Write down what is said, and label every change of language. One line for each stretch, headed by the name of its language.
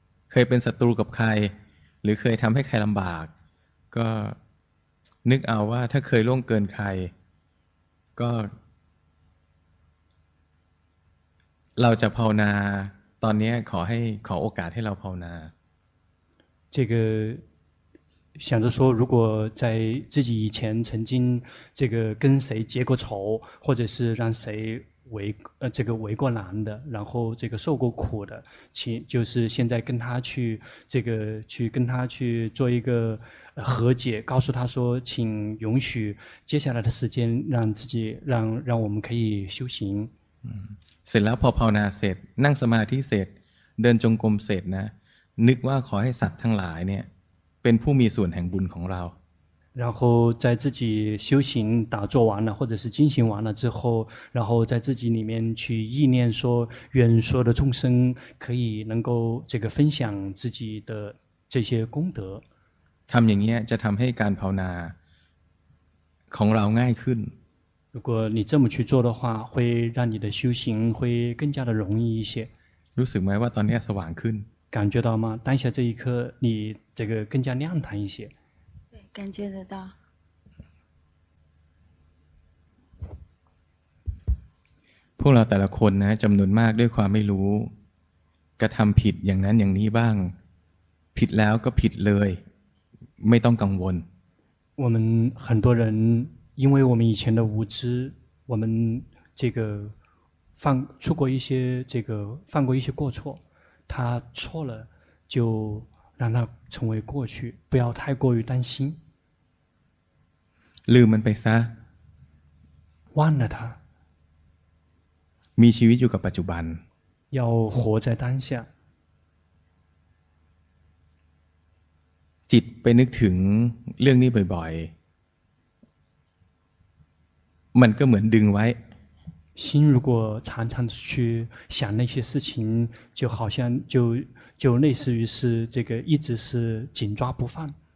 Thai: เคยเป็นศัตรูกับใครหรือเคยทำให้ใครลำบากก็นึกเอาว่าถ้าเคยล่วงเกินใครก็เราจะภาวนาตอนนี้ขอโอกาสให้เราภาวนา
Chinese: 这个想着说如果在自己以前曾经这个跟谁结过仇或者是让谁这个为过难的然后这个受过苦的就是现在跟他去这个去跟他去做一个和解告诉他说请允许接下来的时间让自己让我们可以修行
Thai: เสร็จแล้วพอภาวนาเสร็จนั่งสมาธิเสร็จเดินจงกรมเสร็จนะนึกว่าขอให้สัตว์ทั้งหลายเนี่ยเป็นผู้มีส่วนแห่งบุญของเรา
Chinese: 然后在自己修行打坐完了或者是进行完了之后然后在自己里面去意念说愿所有的众生可以能够这个分享自己的这些功德
Thai: ทำอย่างนี้จะทำให้การภาวนาของเราง่ายขึ้น
Chinese: 如果你这么去做的话会让你的修行会更加的容易一些
Thai: รู้สึกไหมว่าตอนนี้สว่างขึ้น
Chinese: 感觉到吗当下这一刻你这个更加亮堂一些对感觉得到
Thai: พวกเราแต่ละคนนะจำนวนมากด้วยความไม่รู้กระทำผิดอย่างนั้นอย่างนี้บ้างผิดแล้วก็ผิดเลยไม่ต้องกังวล
Chinese: 我们很多人因为我们以前的无知我们这个犯出过一些这个犯过一些过错他错了就让它成为过去，不要太过于担心。
Thai: ลืมมันไปซะ
Chinese: 忘了它。
Thai: มีชีวิตอยู่กับปัจจุบัน
Chinese: 要活在当下。
Thai: จิตไปนึกถึงเรื่องนี้บ่อยๆมันก็เหมือนดึงไว้
Chinese: 心如果常常去想那些事情就好像就类似于是这个一直是紧抓不放